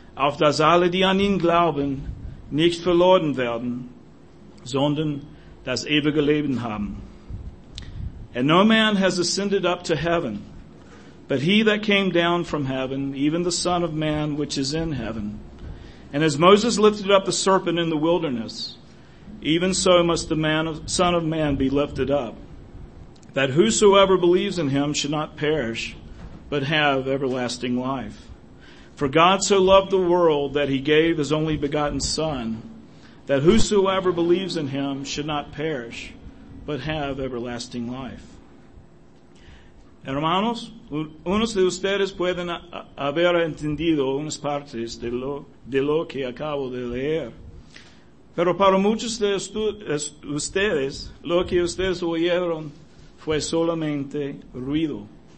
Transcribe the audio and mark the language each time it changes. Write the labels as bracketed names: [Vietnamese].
[German] auf dass alle, die an ihn glauben, nicht verloren werden, sondern das ewige Leben haben. [English] And no man has ascended up to heaven, but he that came down from heaven, even the Son of Man which is in heaven. And as Moses lifted up the serpent in the wilderness, even so must the Son of Man be lifted up, that whosoever believes in him should not perish, but have everlasting life. For God so loved the world that he gave his only begotten Son, that whosoever believes in him should not perish, but have everlasting life. [Spanish] Hermanos, unos de ustedes pueden haber entendido unas partes de lo que acabo de leer. Pero para muchos de ustedes, lo que ustedes oyeron fue solamente ruido.